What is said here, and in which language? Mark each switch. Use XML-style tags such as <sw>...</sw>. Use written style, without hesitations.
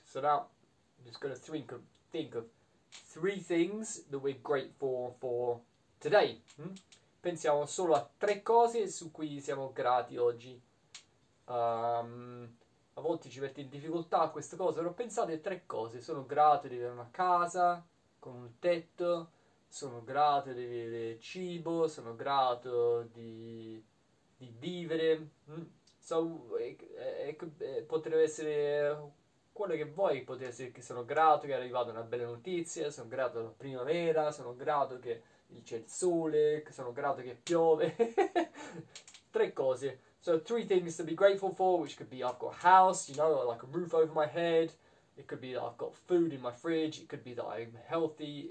<en>So now, I'm just going to think of three things that we're grateful for today.</en> <it>Pensiamo solo a tre cose su cui siamo grati oggi. A volte ci mette in difficoltà questa cosa, però pensate a tre cose. Sono grato di avere una casa con un tetto, sono grato di avere cibo, sono grato di vivere. So, potrebbe essere quello che vuoi, potrebbe essere che sono grato che è arrivata una bella notizia, sono grato alla primavera, sono grato che c'è il sole, sono grato che piove. Tre cose.</it> <en>So three things to be grateful for, which could be I've got a house, you know, like a roof over my head. It could be that I've got food in my fridge. It could be that I'm healthy.</en>